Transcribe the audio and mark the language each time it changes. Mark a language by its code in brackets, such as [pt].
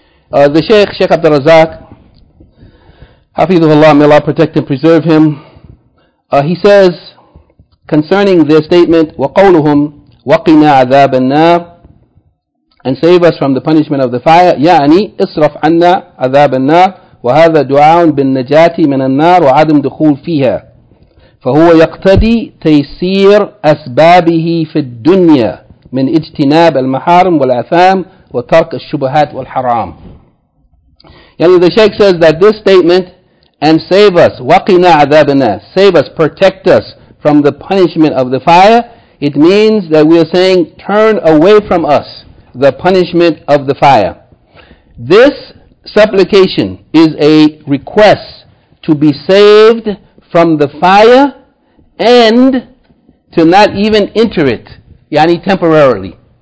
[en] The Shaykh Abdul Razak, Hafidhullah, may Allah protect and preserve him, he says concerning their statement, [ar] وَقَوْلُهُمْ وَقِنَا عَذَابَ النَّارِ, [en] and save us from the punishment of the fire, [ar] يَعْنِي إِصْرَفْ عَنَّا عَذَابَ النَّارِ وَهَذَا دُعَاءٌ بِالنَّجَاةِ مِنَ النَّارِ وَعَدْمُ دُخُولٍ فِيهَا. فهو يقتدي تيسير أسبابه في الدنيا من اجتناب المحارم والآثام وترك الشبهات والحرام. [en] Yani, the Shaykh says that this statement, and save us, [ar] وَقِنَا عَذَابَنَا, [en] save us, protect us from the punishment of the fire, it means that we are saying, turn away from us the punishment of the fire. This supplication is a request to be saved from the fire and to not even enter it, Yani, temporarily.